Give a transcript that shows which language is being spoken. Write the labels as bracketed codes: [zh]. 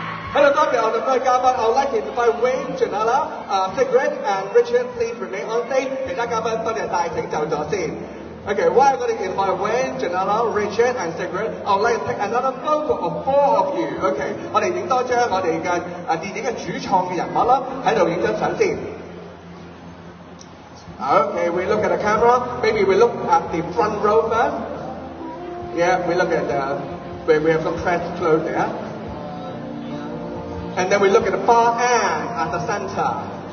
[en] Hello, Dr. on the third gamma. I would like to invite Wayne, Janella, Sigrid, and Richard, please remain on stage. Okay, why are we going to invite Wayne, Janella, Richard, and Sigrid? I would like to take another photo of four of you. [zh] Okay, 我們拍多張我們電影的主創人物在這裡拍張照片。 [en] Okay, we look at the camera. Maybe we look at the front row first. Yeah, we look at where we have some press clothes there. And then we look at the far end at the center.